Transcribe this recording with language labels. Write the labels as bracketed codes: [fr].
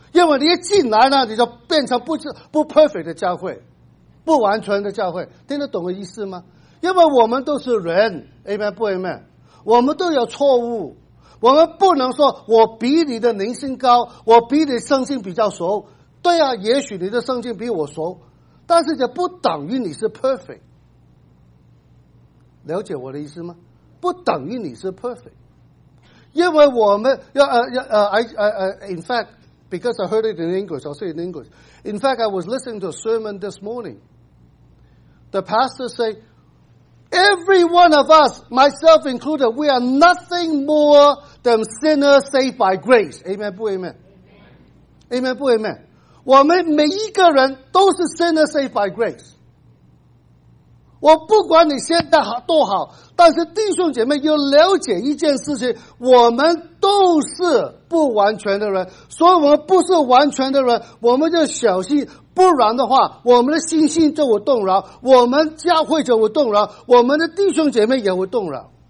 [zh] 因为你一进来呢你就变成不 perfect 的教会不完全的教会听得懂的意思吗因为我们都是人 Amen 不 Amen 我们都有错误我们不能说我比你的灵性高我比你圣经比较熟对啊也许你的圣经比我熟但是这不等于你是 perfect 了解我的意思吗不等于你是 perfect 因为我们要 [en] in factBecause I heard it in English, I'll say it in English. In fact, I was listening to a sermon this morning. The pastor said, every one of us, myself included, we are nothing more than sinners saved by grace. [zh] Amen, 不 amen? Amen, amen 不 amen? 我们每一个人都是 [en] sinners saved by grace. [zh] 我不管你现在多好，但是弟兄姐妹要了解一件事情，我们都是不完全的人，所以我们不是完全的人，我们就小心，不然的话，我们的信心就会动摇，我们教会就会动摇，我们的弟兄姐妹也会动摇。